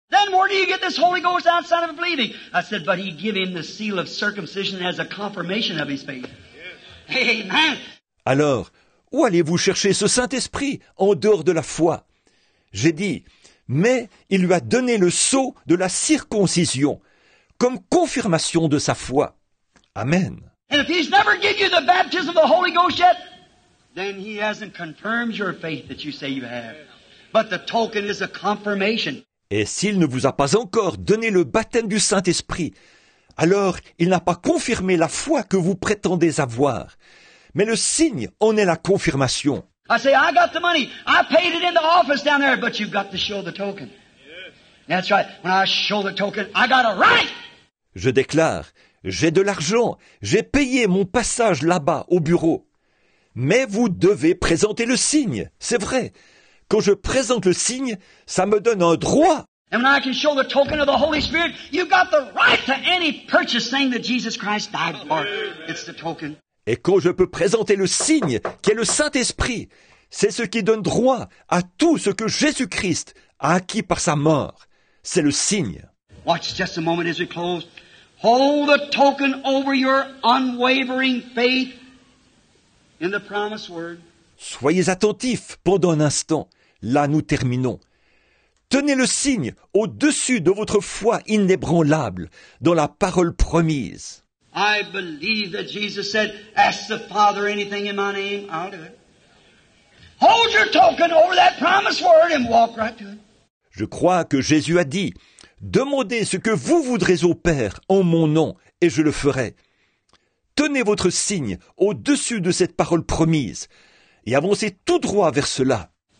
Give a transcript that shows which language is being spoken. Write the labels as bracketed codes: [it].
[en] Then where do you get this Holy Ghost outside of believing? I said, but he gave him the seal of circumcision as a confirmation of his faith. Yes. Amen. [fr] Alors, où allez-vous chercher ce Saint-Esprit en dehors de la foi? J'ai dit, mais il lui a donné le sceau de la circoncision comme confirmation de sa foi. Amen. [en] And if he's never given you the baptism of the Holy Ghost yet, then he hasn't confirmed your faith that you say you have. But the token is a confirmation. [fr] Et s'il ne vous a pas encore donné le baptême du Saint-Esprit, alors il n'a pas confirmé la foi que vous prétendez avoir. Mais le signe en est la confirmation. [en] I say, I got the money. I paid it in the office down there, but you've got to show the token. Yes. That's right. When I show the token, I got a right. [fr] Je déclare, j'ai de l'argent. J'ai payé mon passage là-bas au bureau. Mais vous devez présenter le signe. C'est vrai. Quand je présente le signe, ça me donne un droit. [en] And when I can show the token of the Holy Spirit, you've got the right to any purchase thing that Jesus Christ died for. It's the token. [fr] Et quand je peux présenter le signe, qui est le Saint-Esprit, c'est ce qui donne droit à tout ce que Jésus-Christ a acquis par sa mort. C'est le signe. [en] Watch just a moment as we close. Hold the token over your unwavering faith in the promised word. [fr] Soyez attentifs pendant un instant. Là, nous terminons. Tenez le signe au-dessus de votre foi inébranlable dans la parole promise. [en] I believe that Jesus said, ask the Father anything in my name, I'll do it. Hold your token over that promised word and walk right to it. [fr] Je crois que Jésus a dit, demandez ce que vous voudrez au Père en mon nom et je le ferai. Tenez votre signe au-dessus de cette parole promise. Et avancez tout droit vers cela.